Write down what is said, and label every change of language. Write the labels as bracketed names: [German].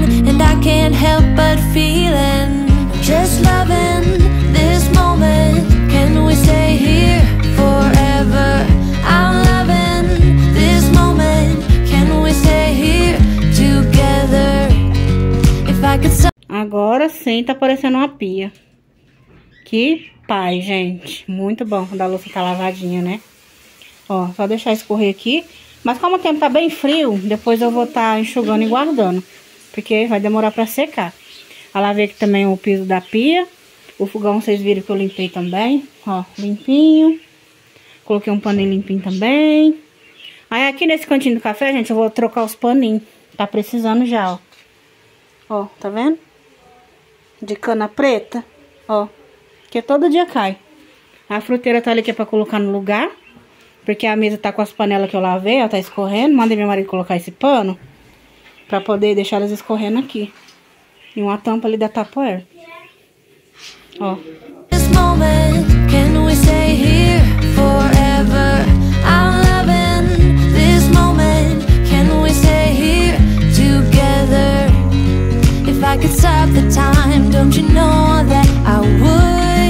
[English] And I can't help but feeling just loving this moment. Can we stay here forever? I'm loving this moment. Can we stay here together? If I could stop. [Portuguese] Agora sim, tá aparecendo uma pia. Que pai, gente. Muito bom quando a louça tá lavadinha, né? Ó, só deixar escorrer aqui. Mas como o tempo tá bem frio, depois eu vou tá enxugando e guardando. Porque vai demorar pra secar. Eu lavei aqui também o piso da pia. O fogão, vocês viram que eu limpei também. Ó, limpinho. Coloquei um paninho limpinho também. Aí aqui nesse cantinho do café, gente, eu vou trocar os paninhos. Tá precisando já, ó. Ó, tá vendo? De cana preta. Ó. Porque todo dia cai. A fruteira tá ali que é pra colocar no lugar. Porque a mesa tá com as panelas que eu lavei, ó, tá escorrendo. Mandei meu marido colocar esse pano pra poder deixar elas escorrendo aqui. E uma tampa ali da Tupperware. Ó. [English] This moment, can we stay here forever? I'm loving this moment. Can we stay here together? If I could stop the time, don't you know that I would?